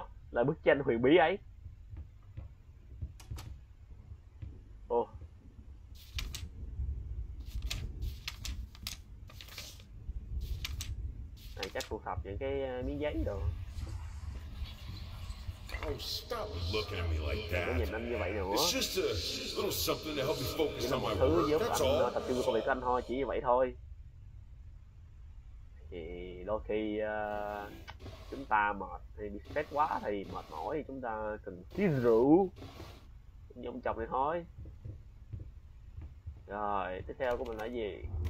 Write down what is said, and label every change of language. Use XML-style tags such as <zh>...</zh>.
<vi>Là bức tranh huyền bí ấy. Này chắc thu thập những cái miếng giấy đồ.</vi> <en>Stop looking at me like that.</en> <vi>Nhìn anh như vậy nữa.</vi> <en>It's just a little something to help me focus on my work. That's all.</en> <vi>Tập trung vào công việc của anh thôi, chỉ như vậy thôi. Thì đôi khi chúng ta mệt thì bị stress quá thì mệt mỏi thì chúng ta cần tí rượu như ông chồng này thôi. Rồi tiếp theo của mình là gì?</vi>